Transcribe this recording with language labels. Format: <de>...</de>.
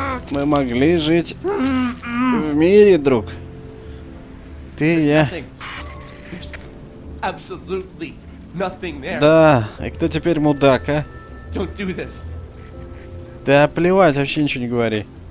<ru>Мы могли жить в мире, друг. Ты, я.</ru> <en>There's absolutely nothing there.</en> <ru>Да, и кто теперь мудак, а?</ru> <en>Don't do this.</en> <ru>Да плевать, вообще ничего не говори.</ru>